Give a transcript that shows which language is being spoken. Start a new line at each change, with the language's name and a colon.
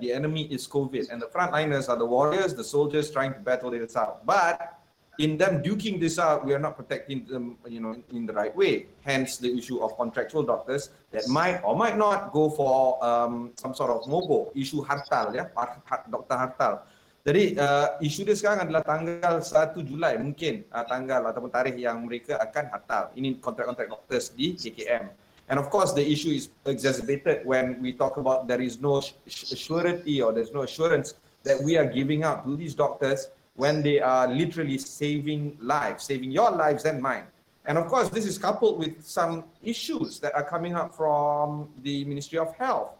English: The enemy is COVID, and the frontliners are the warriors, the soldiers trying to battle it out. But in them duking this out, we are not protecting them, you know, in the right way. Hence the issue of contractual doctors that might or might not go for some sort of mogo,
Malay: isu hartal, ya, doktor hartal. Jadi isu dia sekarang adalah tanggal 1 Julai mungkin, tanggal ataupun tarikh yang mereka akan hartal. Ini kontrak-kontrak doktor di KKM.
English: And of course, the issue is exacerbated when we talk about there is no surety or there's no assurance that we are giving out to these doctors when they are literally saving lives, saving your lives and mine. And of course, this is coupled with some issues that are coming up from the Ministry of Health.